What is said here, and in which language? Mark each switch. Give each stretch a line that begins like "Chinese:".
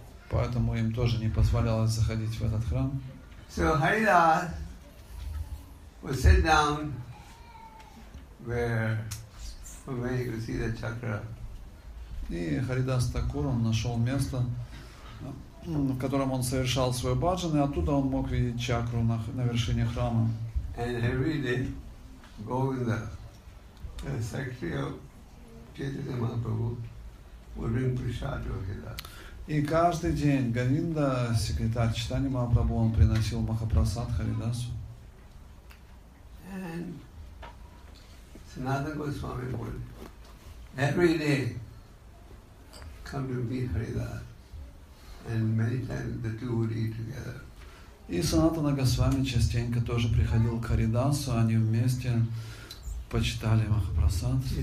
Russian: Поэтому им тоже не позволялось заходить в этот храм.
English: So Haridas would sit down where you could see the chakra.
Russian: И Харидас Такур, он нашел место, в котором он совершал свой баджан, и оттуда он мог видеть чакру на вершине храма.
English: And every day, Govinda, the secretary of Chaitanya Mahaprabhu, would bring prasad to Haridas.
Russian: И каждый день Говинда, секретарь Чайтаньи Махапрабху, он приносил Махапрасад Харидасу.
English: And Sanatana Goswami would Every day, come to meet Haridas, and many times the two would eat together.
Russian: И Санатана Госвами частенько тоже приходил к Харидасу, они вместе почитали Махапрасад.